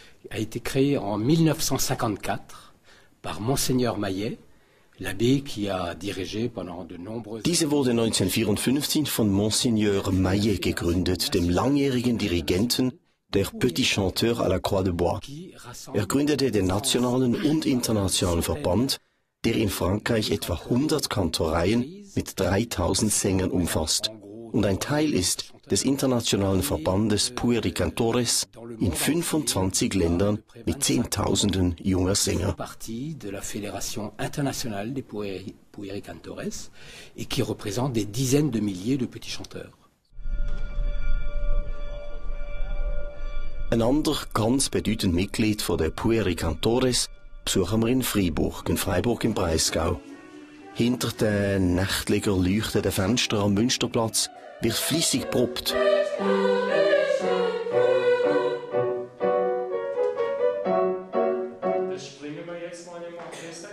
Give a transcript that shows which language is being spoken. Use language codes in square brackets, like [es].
[fr] A été créé en 1954 par Monseigneur Maillet, l'abbé qui a dirigé pendant de nombreuses. [de] Diese wurde 1954 von Monseigneur Maillet gegründet, dem langjährigen Dirigenten der Petit Chanteur à la Croix de Bois. Gründete den nationalen und internationalen Verband, der in Frankreich etwa 100 Kantoreien mit 3000 Sängern umfasst und ein Teil ist des internationalen Verbandes Pueri Cantores in 25 Ländern mit Zehntausenden junger Sänger. [fr] Partie de la Fédération internationale des Pueri Cantores et qui représente des dizaines de milliers de petits chanteurs. [de] Ein anderer ganz bedeutender Mitglied von der Pueri Cantores besuchen wir in Freiburg im Breisgau. Hinter den nächtlicher leuchtenden Fenstern am Münsterplatz wird fleissig geprobt. Das springen wir jetzt mal im Orchester.